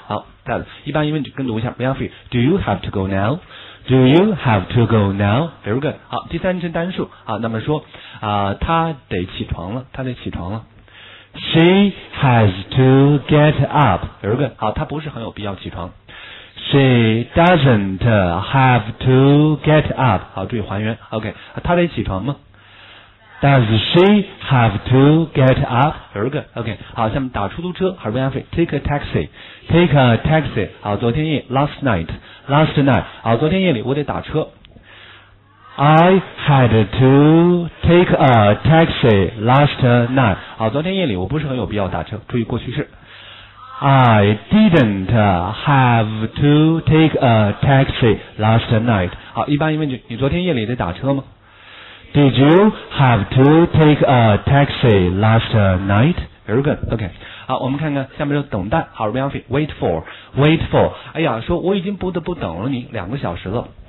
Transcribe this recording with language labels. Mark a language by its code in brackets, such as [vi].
[zh] 好，再来，一般疑问句跟读一下 ， [en] Real free。 Do you have to go now？ Do you have to go now? Very good. [zh] 好，第三人称单数。好，那么说啊、他得起床了，他得起床了。 [en] She has to get up. Very good. [zh] 好，他不是很有必要起床。 [en] She doesn't have to get up. [zh] 好，注意还原。 OK， 他得起床吗 ？ [en] Does she have to get up? Very good. [zh] OK， 好，下面打出租车，还是 [en] Ralphie take a taxi。 Take a taxi. [zh] 好，昨天夜 [en] last night. Last night, [zh] 好，昨天夜里我得打车。 [en] I had to take a taxi last night. [zh] 好，昨天夜里我不是很有必要打车，注意过去式。 [en] I didn't have to take a taxi last night. [zh] 好，一般疑问句，你昨天夜里得打车吗 ？ [en] Did you have to take a taxi last night? Very good. Okay. [zh] 好，我们看看下面就等待。好 ， [en] Ralphie, wait for, wait for。 [zh] 哎呀，说我已经不得不等了你两个小时了。